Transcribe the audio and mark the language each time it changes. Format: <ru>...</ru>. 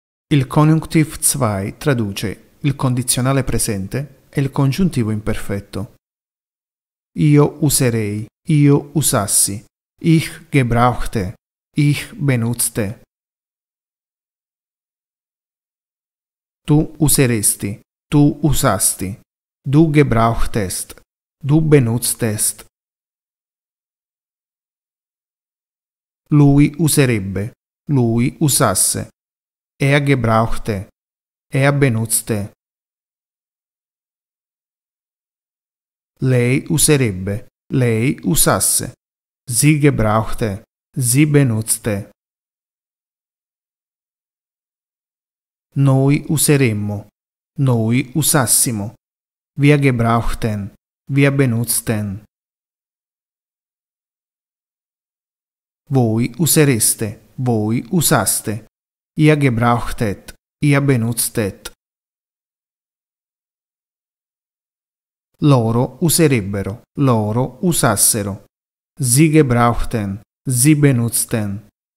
<it>Il Konjunktiv 2 traduce il condizionale presente e il congiuntivo imperfetto. Io userei, io usassi,</it> <de>ich gebrauchte, ich benutzte.</de> <it>Tu useresti, tu usasti,</it> <de>du gebrauchtest, du benutztest.</de> <it>Lui userebbe, lui usasse,</it> <de>gebrauchte, benutzte.</de> <it>Lei userebbe, lei usasse.</it> <de>Sie gebrauchte, sie benutzte.</de> <it>Noi useremmo, noi usassimo.</it> <de>Wir gebrauchten, wir benutzten.</de> <it>Voi usereste, voi usaste.</it> <de>Ihr gebrauchtet, ihr benutztet.</de> <it>Loro userebbero, loro usassero.</it> <de>Sie gebrauchten, sie benutzten.</de>